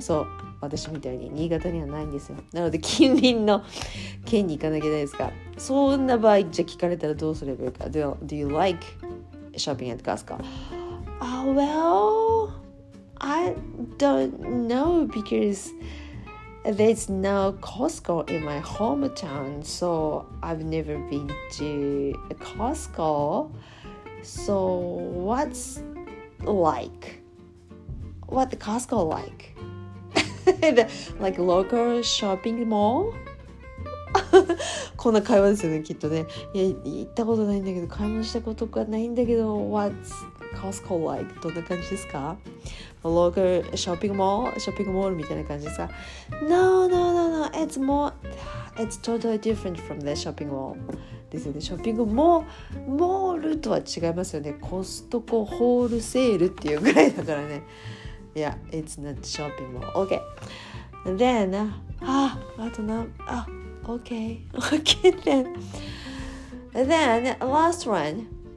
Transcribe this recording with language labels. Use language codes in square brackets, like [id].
[ja] そう、私みたいに新潟にはないんですよ。なので近隣の県に行かなきゃいけないですか。そんな場合じゃ聞かれたらどうすればいいか。 [en] Do you like shopping at Costco? Well, I don't know because there's no Costco in my hometown, so I've never been to Costco. So what's like, what the Costco like? like local shopping mall? [ja] こんな会話ですよねきっとね。いや行ったことないんだけど、買い物したことがないんだけど、 [en] What's Costco like? [ja] どんな感じですか？ [en] Local shopping mall? Shopping mall [ja] みたいな感じですか？ [en] No, it's more, it's totally different from the shopping mall. [ja] ですよね、ショッピングモールとは違いますよね。コストコホールセールっていうぐらいだからね。 [en] いや、yeah, It's not shopping mall. OK. Then, OK. OK, then. Then, last one.